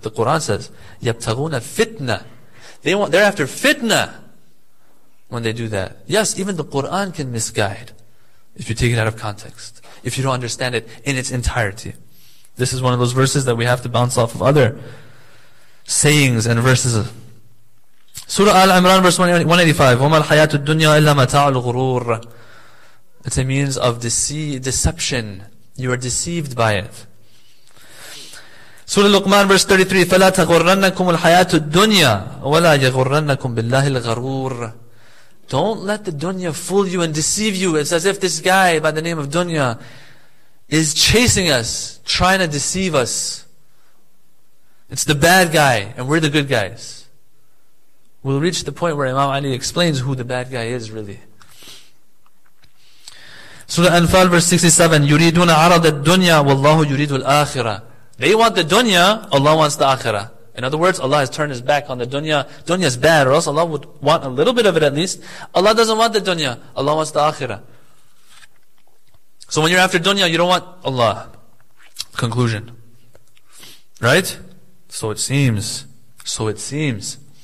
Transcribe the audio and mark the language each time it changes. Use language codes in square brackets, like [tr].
[en] The Quran says, [ar] يَبْتَغُونَ [en] fitna. They're after fitna when they do that. Yes, even the Quran can misguide if you take it out of context, if you don't understand it in its entirety. This is one of those verses that we have to bounce off of other sayings and verses. [ar] Surah Al-Imran verse 185, وَمَا الْحَيَاةُ الدُّنْيَا إِلَّا مَتَاعُ الْغُرُورِ. [en] It's a means of deception. You are deceived by it. [ar] Surah Luqman verse 33, فَلَا تَغُرَّنَّكُمُ الْحَيَاةُ الدُّنْيَا وَلَا يَغُرَّنَّكُمْ بِاللَّهِ الْغَرُورِ. [en] Don't let the dunya fool you and deceive you. It's as if this guy by the name of dunya, is chasing us, trying to deceive us. It's the bad guy, and we're the good guys. We'll reach the point where Imam Ali explains who the bad guy is, really. [ar] Surah Anfal, verse 67, يُرِيدُونَ عَرَضَ الدُّنْيَا وَاللَّهُ يُرِيدُ الْآخِرَةِ. [en] They want the dunya, Allah wants the akhirah. In other words, Allah has turned His back on the dunya. Dunya is bad, or else Allah would want a little bit of it at least. Allah doesn't want the dunya, Allah wants the akhirah. So when you're after dunya, you don't want Allah. Conclusion. Right? So it seems. So it seems.